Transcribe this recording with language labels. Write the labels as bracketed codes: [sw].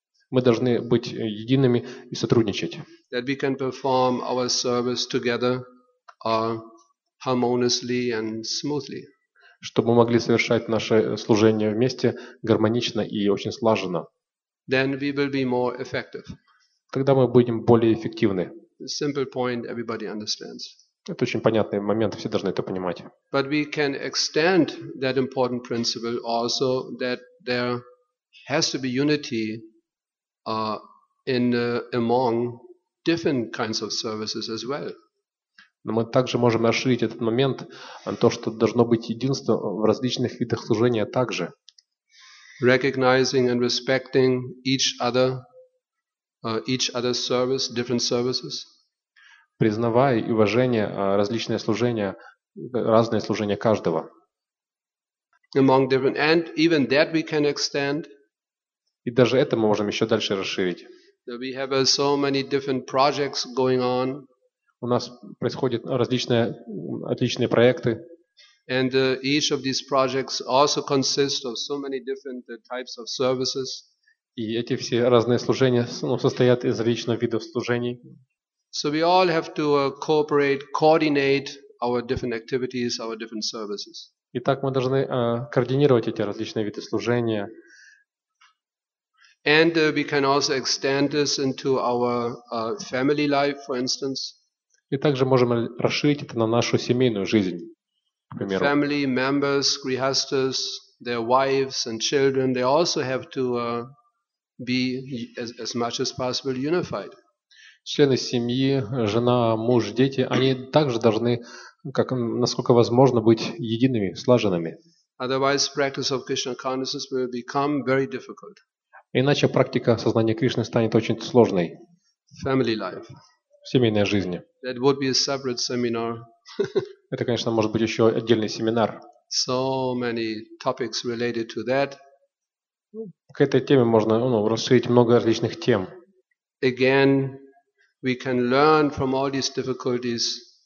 [ru] Мы должны быть едиными и сотрудничать. Чтобы мы могли совершать наше служение вместе гармонично и очень слаженно. [en] Then we will be more effective. [ru] Когда мы будем более эффективны. [en] Simple point, everybody understands. [ru] Это очень понятный момент, все должны это понимать. [en] But we can extend that important principle also that there has to be unity in among different kinds of services as well. [ru] Но мы также можем расширить этот момент на то, что должно быть единство в различных видах служения также. [en] Recognizing and respecting each other's service, different services. [ru] Признавая и уважение различные служения, разные служения каждого. [en] Among different, and even that we can extend. [ru] И даже это мы можем еще дальше расширить. [en] We have so many different projects going on. [ru] У нас происходят различные отличные проекты. [en] And each of these projects also consists of so many different types of services. [ru] И эти все разные служения состоят из различных видов служений. [en] So we all have to cooperate, coordinate our different activities, our different services. [ru] Итак, мы должны координировать эти различные виды служения. [en] And we can also extend this into our family life, for instance. [ru] И также можем расширить это на нашу семейную жизнь. [en] Family members, grihasthas, their wives and children, they also have to be as much as possible unified. [ru] Члены семьи, жена, муж, дети, они также должны, как насколько возможно, быть едиными, слаженными. [en] Otherwise, practice of Krishna consciousness will become very difficult. [ru] Иначе практика сознания Кришны станет очень сложной. [en] Family life. [ru] Семейная жизнь. [en] That would be a separate seminar. [ru] Это, конечно, может быть еще отдельный семинар. [en] So many topics related to that. [ru] К этой теме можно расширить много различных тем. [en] Again, we can learn from all these difficulties.